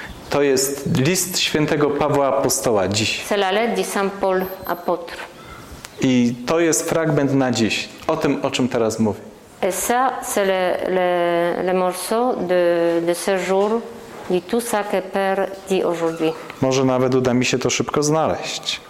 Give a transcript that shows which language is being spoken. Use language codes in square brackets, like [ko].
[pl] To jest list świętego Pawła Apostoła dziś. [fr] C'est la lettre de Saint Paul apôtre. [pl] I to jest fragment na dziś. O tym, o czym teraz mówię. [fr] Et ça, c'est le morceau de ce jour et tout ça que Père dit aujourd'hui. [pl] Może nawet uda mi się to szybko znaleźć.